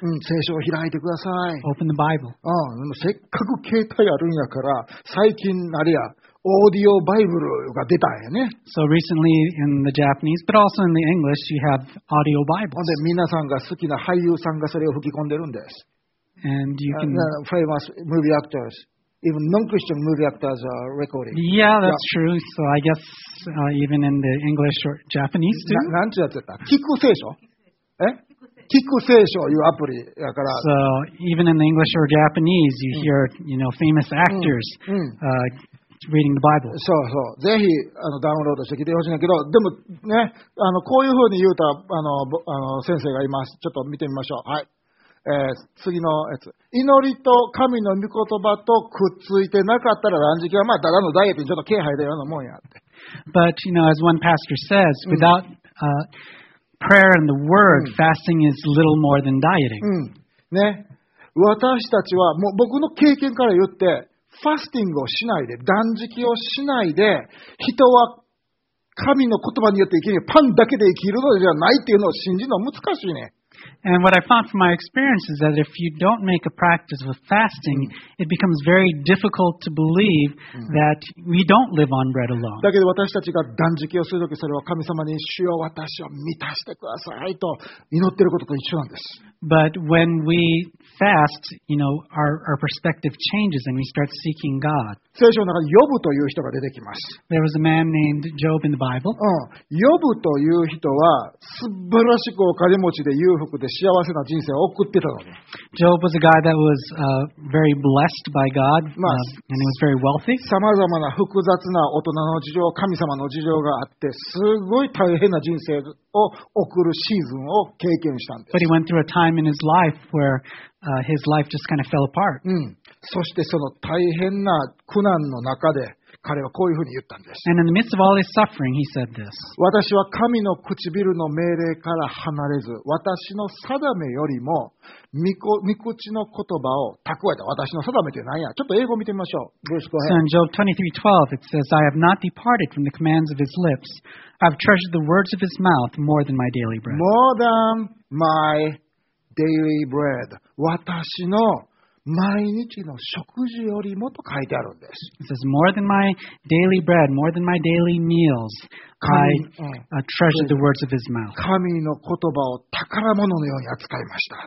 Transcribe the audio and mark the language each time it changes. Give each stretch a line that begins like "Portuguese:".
Japanese: うん、聖書を開いてください。
English: Open the Bible.
Japanese: うん、せっかく携帯あるんやから、最近あれや、オーディオバイブルが出たんやね。
English: So recently in the Japanese, but also in the English, you have audio Bibles.
Japanese: で、皆さんが好きな俳優さんがそれを吹き込んでるんです。
English: And you can famous movie actors, even non-Christian movie actors are recording. Yeah, that's true. So I guess even in the English or Japanese too.
Japanese: なんて言った？聞く聖書？え？聞く聖書いうアプリだから。
English: So even in the English or Japanese, you hear you know famous actors reading the Bible.
Japanese: そうそう。ぜひダウンロードして聞いてほしいんだけど、でもね、こういうふうに言うた先生がいます。ちょっと見てみましょう。はい。次のやつ。祈りと神の御言葉とくっついてなかったら断食はまあ、ただのダイエットにちょっと軽配だようなもんやって。
English: But, you know, as one pastor says, without prayer and the word, fasting is little more than dieting.
Japanese: うん。ね。私たちは、もう僕の経験から言って、ファスティングをしないで、断食をしないで、人は神の言葉によって生きる、パンだけで生きるのではないっていうのを信じるのは難しいね。
English: And what I found from my experience is that if you don't make a practice with fasting, it becomes very difficult to believe that we don't live on bread alone.
Japanese: だけど私たちが断食をするとき、それは神様に主よ私を満たしてくださいと祈っていることと一緒なんです。
English: But when we fast, you know, our perspective changes and we start seeking God.
Japanese: 聖書の中にヨブという人が出てきます。
English: There was a man named Job in the Bible.
Japanese: うん、ヨブという人は素晴らしくお金持ちで裕福で幸せな人生を送ってたのね。
English: Job was a guy that was very blessed by God, and he was very wealthy.
Japanese: さまざまな複雑な大人の事情、神様の事情があって、すごい大変な人生を送るシーズンを経験したんです。
English: But he went through a time in his life where his life just kind of fell apart.
Japanese: うん。そしてその大変な苦難の中で彼はこういうふうに言ったんです。
English: And in the midst of all his suffering, he said this.
Japanese: 私は神の唇の命令から離れず、私の定めよりも御口の言葉を蓄えた。私の定めって何や？ちょっと英語見てみましょう。
English: Verse 5. So in Job 23:12, it says, I have not departed from the commands of his lips. I have treasured the words of his mouth more than my daily bread. More than my daily bread.
Japanese: 私の毎日の食事よりもと書いてあるんです。
English: It says, more than my daily bread, more than my daily meals, I treasured the words of his mouth.
Japanese: 神の言葉を宝物のように扱いました。